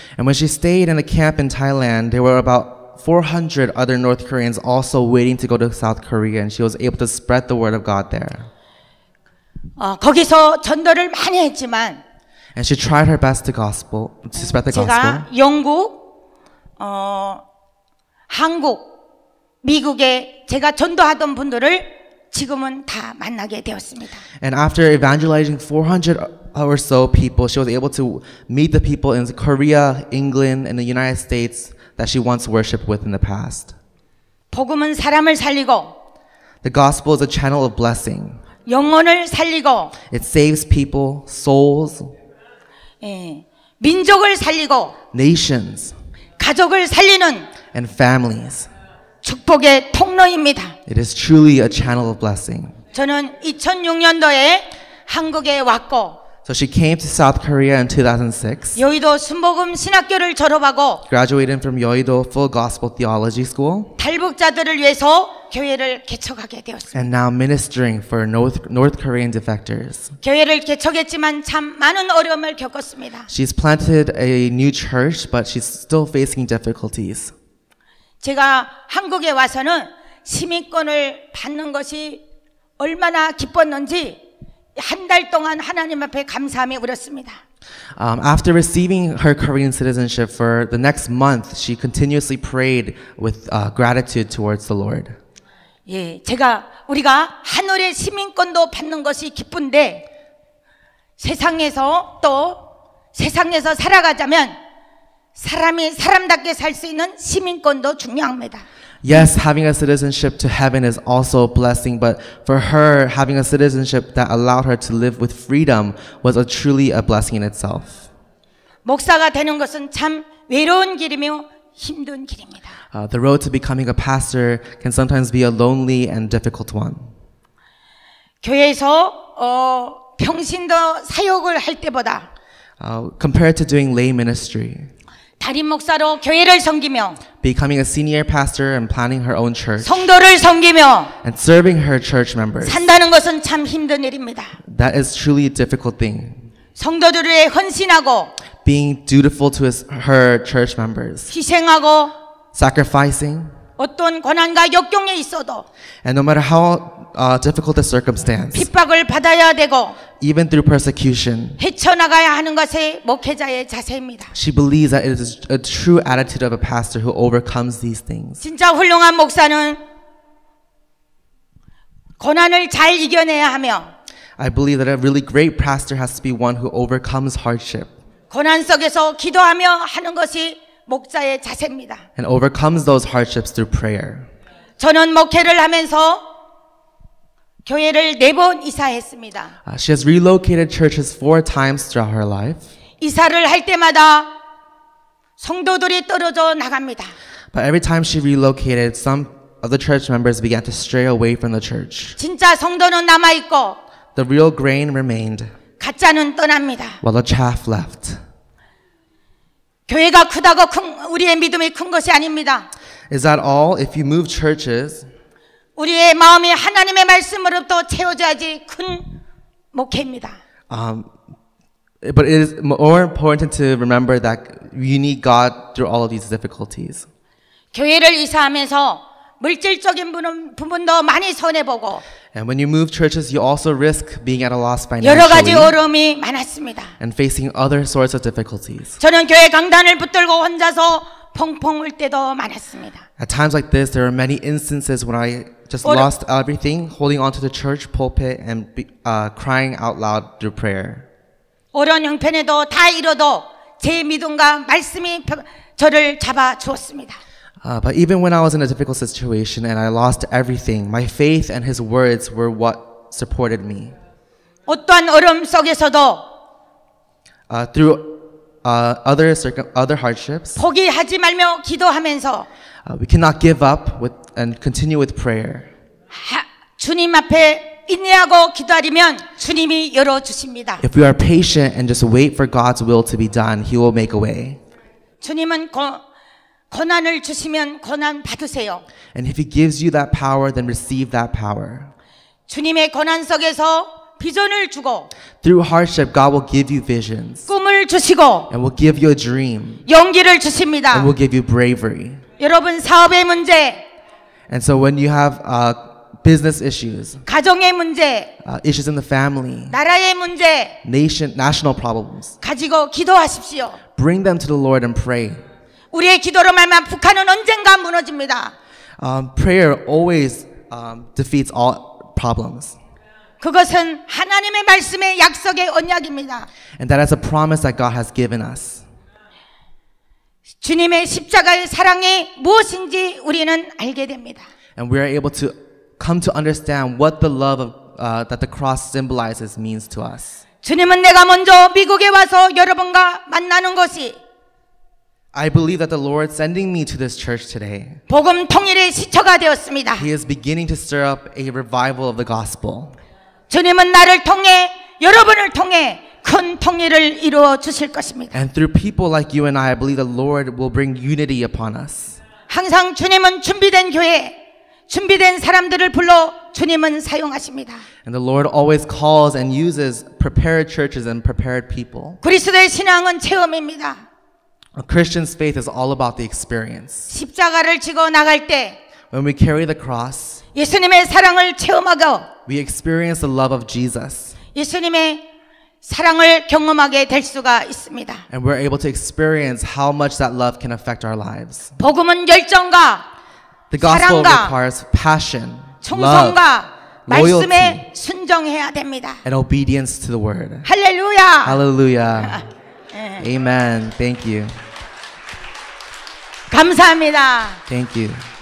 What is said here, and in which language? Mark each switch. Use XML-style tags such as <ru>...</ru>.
<en>And when she stayed in a camp in Thailand, there were about 400 other North Koreans also waiting to go to South Korea, and she was able to spread the word of God there.</en> <ko>거기서 전도를 많이 했지만,</ko> <en>and she tried her best to spread the gospel.</en> <ko>제가 영국, 한국, 미국에 제가 전도하던 분들을 지금은 다 만나게 되었습니다.</ko> <en>And after evangelizing 400 or so people, she was able to meet the people in Korea, England, and the United States. That she once worshipped with in the past.</en> <ko>복음은 사람을 살리고.</ko> <en>The gospel is a channel of blessing.</en> <ko>영혼을 살리고.</ko> <en>It saves people, souls.</en> <ko>예, 민족을 살리고.</ko> <en>Nations.</en> <ko>가족을 살리는.</ko> <en>And families.</en> <ko>축복의 통로입니다.</ko> <en>It is truly a channel of blessing.</en> <ko>저는 2006년도에 한국에 왔고.</ko> <en>So she came to South Korea in 2006.</en> <ko>여의도 순복음 신학교를 졸업하고</ko> <en>graduated from Yeouido Full Gospel Theology School.</en> <ko>탈북자들을 위해서 교회를 개척하게 되었습니다.</ko> <en>And now ministering for North Korean defectors.</en> <ko>교회를 개척했지만 참 많은 어려움을 겪었습니다.</ko> <en>She's planted a new church but she's still facing difficulties.</en> <ko>제가 한국에 와서는 시민권을 받는 것이 얼마나 기뻤는지 한 달 동안 하나님 앞에 감사함에 울었습니다.</ko> <en>After receiving her Korean citizenship for the next month, she continuously prayed with gratitude towards the Lord.</en> <ko>예, 제가 우리가 하늘의 시민권도 받는 것이 기쁜데 세상에서 또 세상에서 살아가자면 사람이 사람답게 살 수 있는 시민권도 중요합니다.</ko> <en>Yes, having a citizenship to heaven is also a blessing, but for her, having a citizenship that allowed her to live with freedom was truly a blessing in itself.</en> <ko>목사가 되는 것은 참 외로운 길이며 힘든 길입니다.</ko> <en>The road to becoming a pastor can sometimes be a lonely and difficult one.</en> <ko>교회에서 평신도 사역을 할 때보다</ko> <en>compared to doing lay ministry.</en> <ko>담임 목사로 교회를 섬기며</ko> <en>becoming a senior pastor and planning her own church.</en> <ko>성도를 섬기며</ko> <en>and serving her church members.</en> <ko>산다는 것은 참 힘든 일입니다.</ko> <en>That is truly a difficult thing.</en> <ko>성도들을 위해 헌신하고</ko> <en>being dutiful to her church members.</en> <ko>희생하고</ko> <en>sacrificing.</en> <ko>어떤 고난과 역경에 있어도</ko> <en>and no matter how difficult the circumstance.</en> <ko>핍박을 받아야 되고</ko> <en>even through persecution.</en> <ko>헤쳐나가야 하는 것이 목회자의 자세입니다.</ko> <en>She believes that it is a true attitude of a pastor who overcomes these things.</en> <ko>진짜 훌륭한 목사는 고난을 잘 이겨내야 하며</ko> <en>I believe that a really great pastor has to be one who overcomes hardship.</en> <ko>고난 속에서 기도하며 하는 것이 목자의 자세입니다.</ko> <en>And overcomes those hardships through prayer.</en> <ko>저는 목회를 하면서 교회를 네 번 이사했습니다.</ko> <en>She has relocated churches four times throughout her life.</en> <ko>이사를 할 때마다 성도들이 떨어져 나갑니다.</ko> <en>But every time she relocated, some of the church members began to stray away from the church.</en> <ko>진짜 성도는 남아 있고</ko> <en>The real grain remained.</en> <ko>가짜는 떠납니다.</ko> <en>While the chaff left.</en> <ko>교회가 크다고 큰 우리의 믿음이 큰 것이 아닙니다.</ko> <en>Is that all? If you move churches,</en> <ko>우리의 마음이 하나님의 말씀으로부터 채워져야지 큰 목회입니다.</ko> <en>But it is more important to remember that you need God through all of these difficulties.</en> <ko>교회를 이사하면서 물질적인 부분도 많이 손해보고</ko> <en>And when you move churches, you also risk being at a loss financially.</en> <ko>여러 가지 어려움이 많았습니다.</ko> <en>And facing other sorts of difficulties.</en> <ko>저는 교회 강단을 붙들고 혼자서 펑펑 울 때도 많았습니다.</ko> <en>At times like this, there are many instances when I just lost everything, holding onto the church pulpit and crying out loud through prayer.</en> <ko>어려운 형편에도 다 잃어도 제 믿음과 말씀이 저를 잡아 주었습니다.</ko> <en>But even when I was in a difficult situation and I lost everything, my faith and his words were what supported me.</en> <ko>어떤 어려움 속에서도</ko> <en>through other hardships,</en> <ko>포기하지 말며 기도하면서</ko> <en>we cannot give up with and continue with prayer.</en> <ko>주님 앞에 인내하고 기다리면 주님이 열어 주십니다.</ko> <en>If we are patient and just wait for God's will to be done, he will make a way.</en> <ko>주님은 고난을 주시면 고난 받으세요.</ko> <en>And if he gives you that power, then receive that power.</en> <ko>주님의 고난 속에서 비전을 주고</ko> <en>Through hardship, God will give you visions.</en> <ko>꿈을 주시고</ko> <en>And will give you a dream.</en> <ko>용기를 주십니다.</ko> <en>And will give you bravery.</en> <ko>여러분 사업의 문제</ko> <en>And so when you have business issues</en> <ko>가정의 문제</ko> <en>issues in the family</en> <ko>나라의 문제</ko> <en>national problems</en> <ko>가지고 기도하십시오.</ko> <en>Bring them to the Lord and pray.</en> <ko>우리의 기도로 말미암아 북한은 언젠가 무너집니다.</ko> <en>Prayer always defeats all problems.</en> <ko>그것은 하나님의 말씀의 약속의 언약입니다.</ko> <en>And that is a promise that God has given us.</en> <ko>주님의 십자가의 사랑이 무엇인지 우리는 알게 됩니다.</ko> <en>And we are able to come to understand what the love of that the cross symbolizes means to us.</en> <ko>주님은 내가 먼저 미국에 와서 여러분과 만나는 것이</ko> <en>I believe that the Lord sending me to this church today.</en> <ko>복음 통일의 시초가 되었습니다.</ko> <en>He is beginning to stir up a revival of the gospel.</en> <ko>주님은 나를 통해 여러분을 통해 큰 통일을 이루어 주실 것입니다.</ko> <en>And through people like you and I believe the Lord will bring unity upon us.</en> <ko>항상 주님은 준비된 교회, 준비된 사람들을 불러 주님은 사용하십니다.</ko> <en>And the Lord always calls and uses prepared churches and prepared people.</en> <ko>그리스도의 신앙은 체험입니다.</ko> <en>A Christian's faith is all about the experience.</en> <ko>십자가를 지고 나갈 때</ko> <en>When we carry the cross,</en> <ko>예수님의 사랑을 체험하고</ko> <en>We experience the love of Jesus.</en> <ko>예수님의 사랑을 경험하게 될 수가 있습니다.</ko> <en>And we're able to experience how much that love can affect our lives.</en> <ko>복음은 열정과</ko> <en>The gospel requires passion,</en> <ko>충성과 말씀에 순종해야 됩니다.</ko> <en>And obedience to the word.</en> <ko>할렐루야.</ko> <en>Hallelujah. Amen. Thank you.</en> <ko>감사합니다.</ko> <en>Thank you.</en>